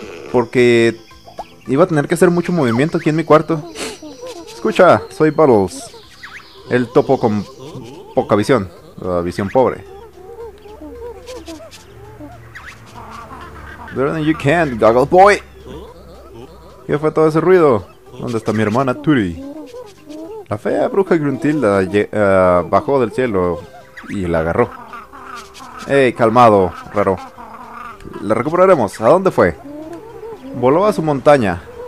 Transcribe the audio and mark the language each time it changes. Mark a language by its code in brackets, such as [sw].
[es] Porque iba a tener que hacer mucho movimiento aquí en mi cuarto. Escucha, soy Bubbles, el topo con poca visión, la visión pobre. [en] Better than you can, Goggle Boy. [es] ¿Qué fue todo ese ruido? ¿Dónde está mi hermana, Turi? La fea bruja Gruntilda bajó del cielo y la agarró. Ey, calmado, raro. La recuperaremos. ¿A dónde fue? Voló a su montaña.